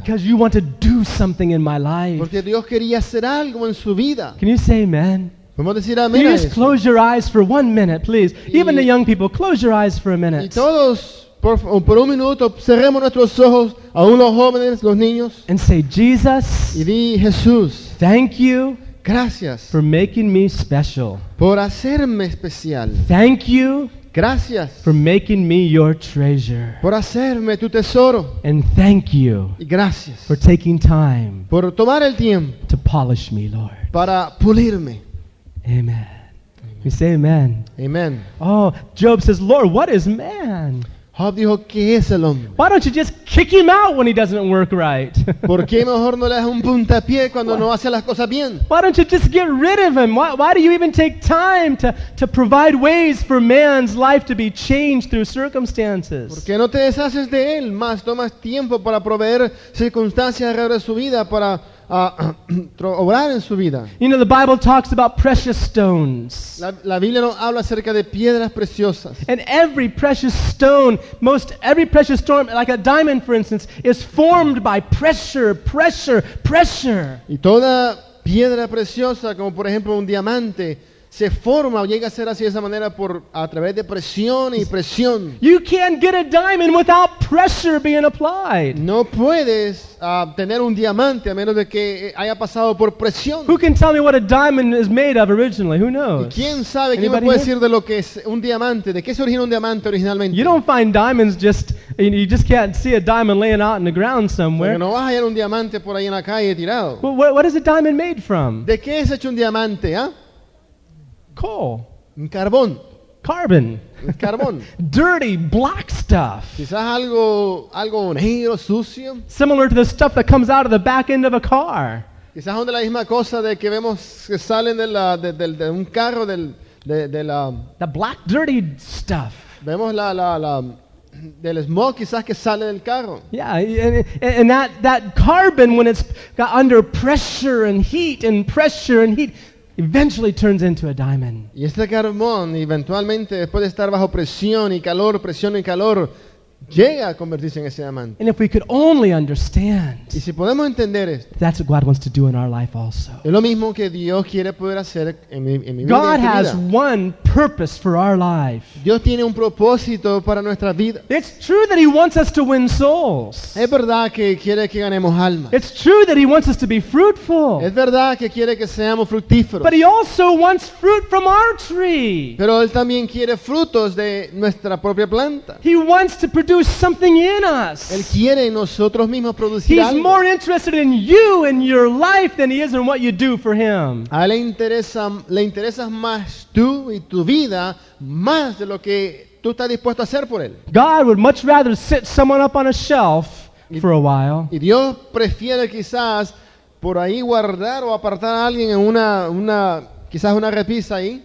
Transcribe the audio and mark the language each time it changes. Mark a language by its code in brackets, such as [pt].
[en] Because you want to do something in my life. [es] Porque Dios quería hacer algo en su vida. [en] Can you say amen? [es] Podemos decir amén. [en] Can you just close your eyes for one minute, please? Even the young people, close your eyes for a minute. [es] Y todos, por un minuto, cerremos nuestros ojos, aún los jóvenes, los niños. [en] And say, Jesus. [es] Y di, Jesús. [en] Thank you. [es] Gracias. [en] For making me special. [es] Por hacerme especial. [en] Thank you. [es] Gracias. [en] For making me your treasure. [es] Por hacerme tu tesoro. [en] And thank you. [es] Y gracias. [en] For taking time. [es] Por tomar el tiempo. [en] To polish me, Lord. [es] Para pulirme. [en] Amen. Amen. We say amen. [es] Amen. [en] Oh, Job says, Lord, what is man? [es] Job dijo, ¿qué es el hombre? [en] Why don't you just kick him out when he doesn't work right? [es] ¿Por qué mejor no le das un puntapié cuando no hace las cosas bien? [en] Why don't you just get rid of him? Why do you even take time to provide ways for man's life to be changed through circumstances? [es] ¿Por qué no te deshaces de él? Más tomas tiempo para proveer circunstancias alrededor de su vida para obrar en su vida. [en] You know, the Bible talks about precious stones. [es] La Biblia no habla acerca de piedras preciosas. [en] And every precious stone, most every precious stone, like a diamond, for instance, is formed by pressure, pressure, pressure. [es] Y toda piedra preciosa, como por ejemplo un diamante, se forma o llega a ser así de esa manera por a través de presión y presión. [en] You can't get a diamond without pressure being applied. [es] No puedes tener un diamante a menos de que haya pasado por presión. [en] Who can tell me what a diamond is made of originally? Who knows? [es] ¿Y quién sabe? ¿Quién me puede decir de lo que es un diamante? ¿De qué se origina un diamante originalmente? [en] You don't find diamonds just, you just can't see a diamond laying out in the ground somewhere. [es] Porque no vas a hallar un diamante por ahí en la calle tirado. [en] What is a diamond made from? [es] ¿De qué es hecho un diamante, ah? ¿Eh? [en] Coal. [es] Carbón. [en] Carbon. [es] Carbón. [en] Dirty, black stuff. [es] Quizás algo negro, sucio. [en] Similar to the stuff that comes out of the back end of a car. [es] Quizás donde la misma cosa de que vemos que salen de la de un carro del de la. [en] The black, dirty stuff. [es] Vemos la del smog quizás que sale del carro. [en] Yeah, and that carbon, when it's got under pressure and heat and pressure and heat, eventually turns into a diamond. [es] Y este carbón, eventualmente, después de estar bajo presión y calor, llega a convertirse en ese diamante. [en] And if we could only understand, [es] y si podemos entender esto, [en] that's what God wants to do in our life also. [es] Es lo mismo que Dios quiere poder hacer en mi vida. [en] God has one purpose for our life. [es] Dios tiene un propósito para nuestra vida. [en] It's true that He wants us to win souls. [es] Es verdad que quiere que ganemos almas. [en] It's true that He wants us to be fruitful. [es] Es verdad que quiere que seamos fructíferos. [en] But He also wants fruit from our tree. [es] Pero Él también quiere frutos de nuestra propia planta. [en] He wants to produce something in us. [es] Él quiere en nosotros mismos producir [en] He's [es] algo. [en] He's more interested in you and your life than He is in what you do for Him. [es] A él le interesas más tú y tu vida más de lo que tú estás dispuesto a hacer por él. [en] God would much rather sit someone up on a shelf for a while. [es] Y Dios prefiere quizás por ahí guardar o apartar a alguien en una quizás una repisa ahí.